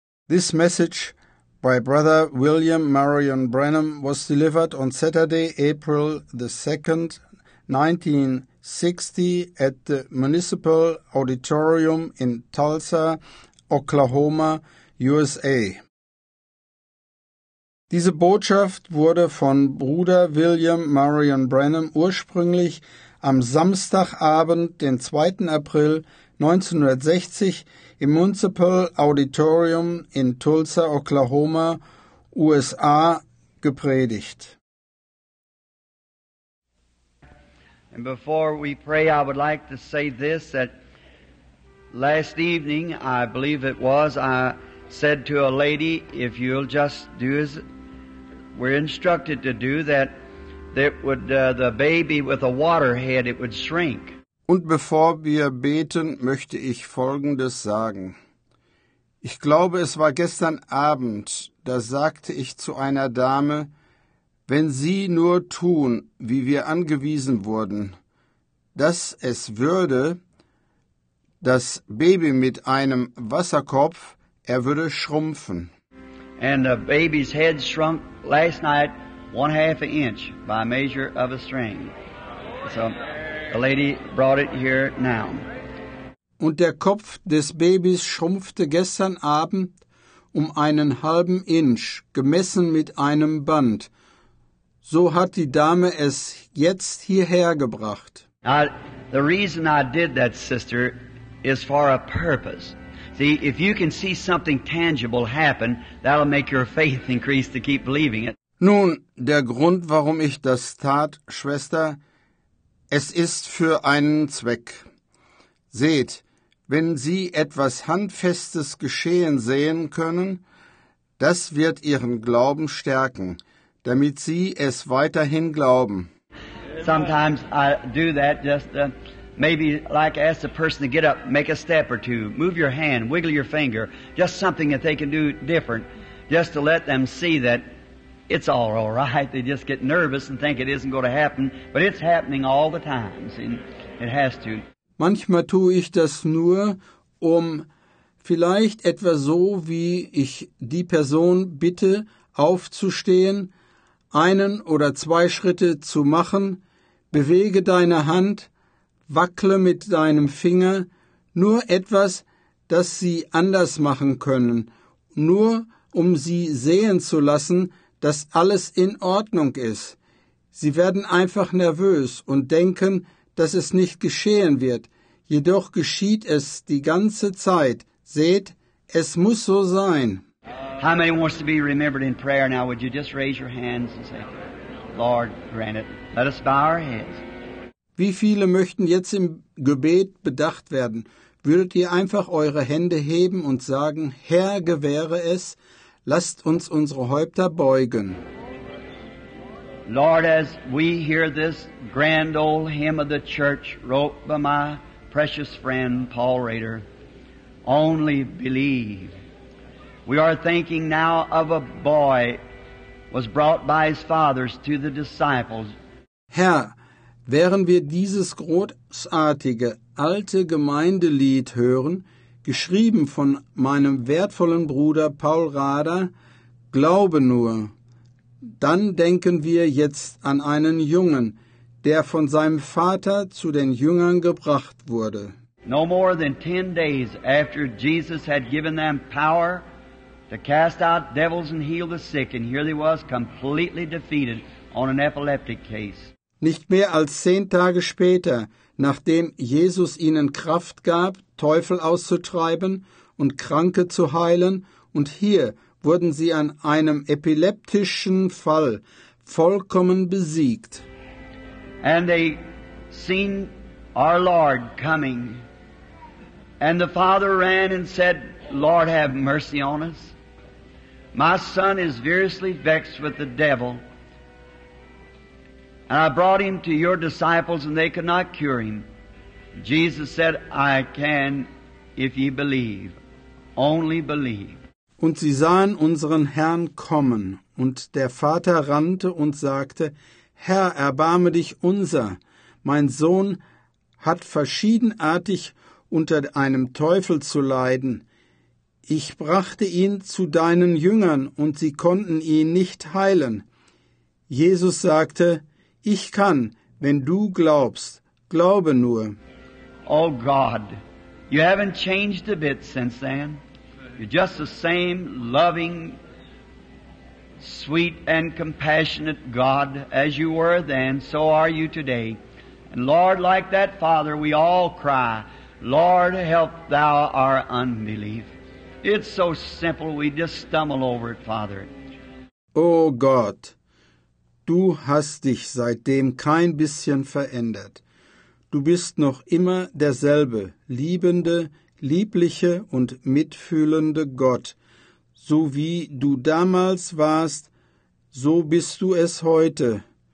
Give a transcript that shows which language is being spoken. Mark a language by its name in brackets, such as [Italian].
[English] This message by Brother William Marion Branham was delivered on Saturday, April the 2nd, 1960 at the Municipal Auditorium in Tulsa, Oklahoma, USA. [German] Diese Botschaft wurde von Bruder William Marion Branham ursprünglich am Samstagabend, den 2. April 1960 im Municipal Auditorium in Tulsa, Oklahoma, USA gepredigt. [English] And before we pray, I would like to say this, that last evening, I believe it was, I said to a lady, if you'll just do as we're instructed to do, the baby with a water head, it would shrink. [German] Und bevor wir beten, möchte ich Folgendes sagen. Ich glaube, es war gestern Abend, da sagte ich zu einer Dame, wenn Sie nur tun, wie wir angewiesen wurden, dass es würde, das Baby mit einem Wasserkopf, er würde schrumpfen. [English] And the baby's head shrunk last night 1/2 inch by measure of a string. So the lady brought it here now. [German] Und der Kopf des Babys schrumpfte gestern Abend einen halben Inch, gemessen mit einem Band. So hat die Dame es jetzt hierher gebracht. [English] The reason I did that, sister, is for a purpose. See, if you can see something tangible happen, that'll make your faith increase to keep believing it. [German] Nun, der Grund, warum ich das tat, Schwester, es ist für einen Zweck. Seht, wenn Sie etwas Handfestes geschehen sehen können, das wird Ihren Glauben stärken, damit Sie es weiterhin glauben. [English] Sometimes I do that just maybe like ask the person to get up, make a step or two, move your hand, wiggle your finger, just something that they can do different, just to let them see that it's all right. They just get nervous and think it isn't going to happen, but it's happening all the time. See, it has to. [German] Manchmal tue ich das nur, vielleicht etwa so, wie ich die Person bitte, aufzustehen, einen oder zwei Schritte zu machen, bewege deine Hand, wackle mit deinem Finger, nur etwas, das sie anders machen können, nur um sie sehen zu lassen, dass alles in Ordnung ist. Sie werden einfach nervös und denken, dass es nicht geschehen wird. Jedoch geschieht es die ganze Zeit. Seht, es muss so sein. [English] How many wants to be remembered in prayer now? Would you just raise your hands and say, Lord, grant it. Let us bow our heads. [German] Wie viele möchten jetzt im Gebet bedacht werden? Würdet ihr einfach eure Hände heben und sagen, Herr, gewähre es, lasst uns unsere Häupter beugen. [English] Lord, as we hear this grand old hymn of the church wrote by my precious friend Paul Rader, only believe. We are thinking now of a boy was brought by his fathers to the disciples. [German] Herr, während wir dieses großartige alte Gemeindelied hören, geschrieben von meinem wertvollen Bruder Paul Rader, glaube nur. Dann denken wir jetzt an einen Jungen, der von seinem Vater zu den Jüngern gebracht wurde. [English] No more than 10 days after Jesus had given them power to cast out devils and heal the sick, and here they was completely defeated on an epileptic case. [German] Nicht mehr als 10 Tage später, nachdem Jesus ihnen Kraft gab, Teufel auszutreiben und Kranke zu heilen, und hier wurden sie an einem epileptischen Fall vollkommen besiegt. [English] And they seen our Lord coming. And the father ran and said, Lord, have mercy on us. My son is variously vexed with the devil. And I brought him to your disciples and they could not cure him. Jesus said, I can if ye believe. Only believe. [German] Und sie sahen unseren Herrn kommen, und der Vater rannte und sagte, Herr, erbarme dich unser, mein Sohn hat verschiedenartig unter einem Teufel zu leiden. Ich brachte ihn zu deinen Jüngern, und sie konnten ihn nicht heilen. Jesus sagte, ich kann, wenn du glaubst, glaube nur. [English] Oh God, you haven't changed a bit since then. You're just the same loving, sweet and compassionate God as you were then, so are you today. And Lord, like that Father, we all cry, Lord, help thou our unbelief. It's so simple, we just stumble over it, Father. [German] Oh Gott, du hast dich seitdem kein bisschen verändert. Du bist noch immer derselbe, liebende, liebliche und mitfühlende Gott. So wie du damals warst, so bist du es heute.